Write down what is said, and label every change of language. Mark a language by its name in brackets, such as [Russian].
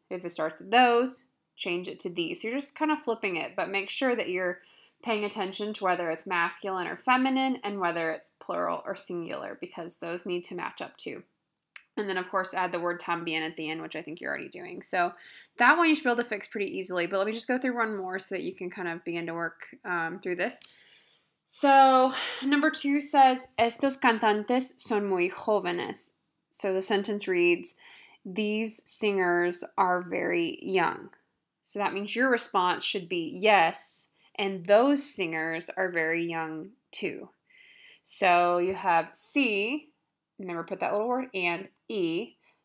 [English] If it starts at those, change it to these. You're just kind of flipping it, but make sure that you're paying attention to whether it's masculine or feminine and whether it's plural or singular, because those need to match up too. And then, of course, add the word también at the end, which I think you're already doing. So that one you should be able to fix pretty easily. But let me just go through one more so that you can kind of begin to work through this. So number two says, [Spanish] estos cantantes son muy jóvenes. [English] So the sentence reads, these singers are very young. So that means your response should be yes, and those singers are very young too. So you have C, remember, put that little word, and E.